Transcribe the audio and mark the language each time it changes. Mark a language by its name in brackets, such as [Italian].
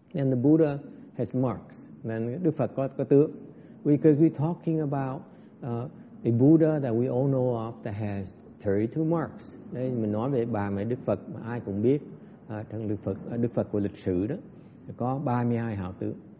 [English] And the Buddha has marks, then [Vietnamese] Đức Phật có tướng. [English] We could be talking about a Buddha that we all know of that has 32 marks. [Vietnamese] Đấy, mình nói về bà mẹ Đức Phật mà ai cũng biết, thằng Đức Phật của lịch sử đó có 32 hảo tướng.